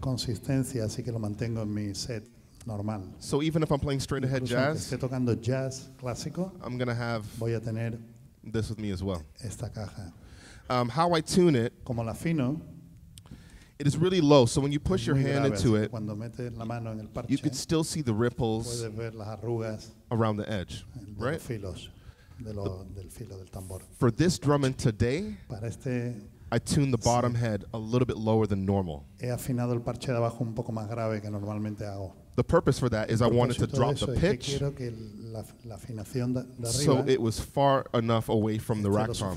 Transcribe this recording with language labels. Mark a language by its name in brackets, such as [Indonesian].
[Spanish] Consistencia, así que lo mantengo en mi set normal. [English] So even if I'm playing straight ahead jazz, [Spanish] esté tocando jazz clásico, [English] I'm gonna have [Spanish] voy a tener [English] this with me as well. [Spanish] Esta caja. [English] How I tune it, [Spanish] como la afino, [English] it is really low, so when you push your hand into it, [Spanish] cuando metes la mano en el parche, [English] you could still see the ripples [Spanish] puedes ver las arrugas [English] around the edge, right? [Spanish] Los filos, de lo, del filo del tambor. [English] For this drumming today, [Spanish] para este, [English] I tune the bottom sí. head a little bit lower than normal. [Spanish] He afinado el parche de abajo un poco más grave que normalmente hago. [English] The purpose for that is I wanted to drop the pitch [Spanish] es que la afinación de arriba, [English] so it was far enough away from the rack tom.